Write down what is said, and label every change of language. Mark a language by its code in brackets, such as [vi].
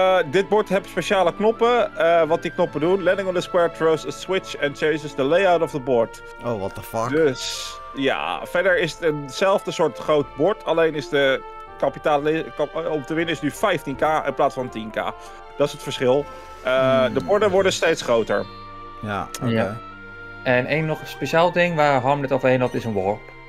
[nl] Dit bord heeft speciale knoppen. Wat die knoppen doen. [en] Landing on the square throws a switch and changes the layout of the board. Oh, what the fuck. [nl] Dus, ja. Verder is het eenzelfde soort groot bord. Alleen is de kapitaal om te winnen is nu 15k in plaats van 10k. Dat is het verschil. De borden worden steeds groter. Ja, oké. Okay. Ja. En één nog speciaal ding waar Harm net overheen had, is een warp.